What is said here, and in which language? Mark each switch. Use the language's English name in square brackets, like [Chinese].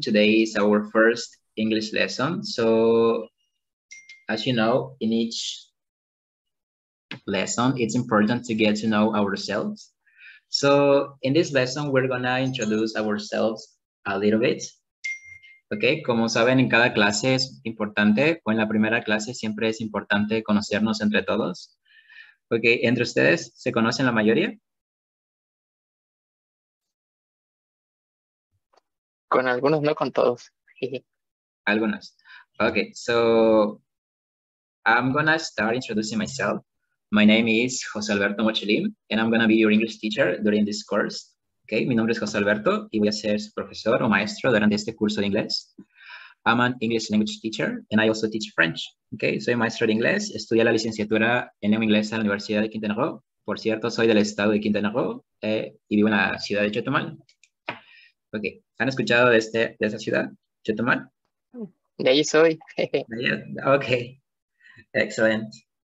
[English] Today is our first English lesson. So, as you know, in each lesson, it's important to get to know ourselves. So, in this lesson, we're gonna introduce ourselves a little bit. [Spanish] Okay, como saben, en cada clase es importante, o en la primera clase siempre es importante conocernos entre todos. Okay, ¿entre ustedes se conocen la mayoría? Con algunos, no con todos. Algunos. [English] Okay, so I'm gonna start introducing myself. My name is José Alberto Mochilim, and I'm gonna be your English teacher during this course. [Spanish] Okay, mi nombre es José Alberto y voy a ser su profesor o maestro durante este curso de inglés. [English] I'm an English language teacher and I also teach French. [Spanish] Okay, soy maestro de inglés, estudié la licenciatura en lengua inglesa en la Universidad de Quintana Roo. Por cierto, soy del estado de Quintana Roo y vivo en la ciudad de Chetumal. Okay, ¿han escuchado de esa ciudad, Chetumal? De ahí soy. Okay, excelente.